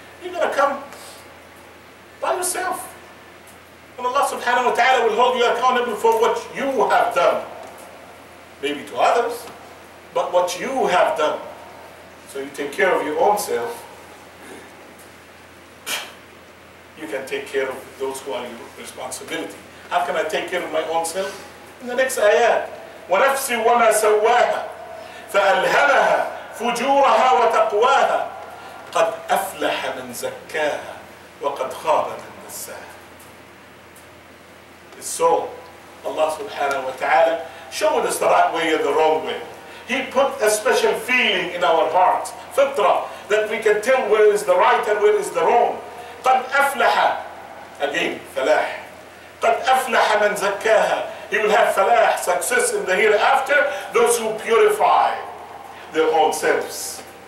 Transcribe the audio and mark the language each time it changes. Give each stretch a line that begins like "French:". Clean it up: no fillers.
English: You're going to come by yourself. And Allah subhanahu wa ta'ala will hold you accountable for what you have done. Maybe to others, but what you have done. So you take care of your own self. You can take care of those who are your responsibility. How can I take care of my own self? In the next ayat,
Arabic: وَنَفْسِ وَمَا سَوَّاهَا فَأَلْهَمَهَا فُجُورَهَا وَتَقْوَاهَا قَدْ أَفْلَحَ مَنْ زَكَّاهَا وَقَدْ خَابَ مَنْ دَسَّاهَا.
English: So, Allah subhanahu wa ta'ala showed us the right way and the wrong way. He put a special feeling in our hearts, fitrah, that we can tell where is the right and where is the wrong.
Arabic: قَدْ أَفْلَحَ
English: Again, falah.
Arabic: قَدْ أَفْلَحَ مَنْ زَكَّاهَا
English: He will have falah, success in the hereafter, those who purify their own selves.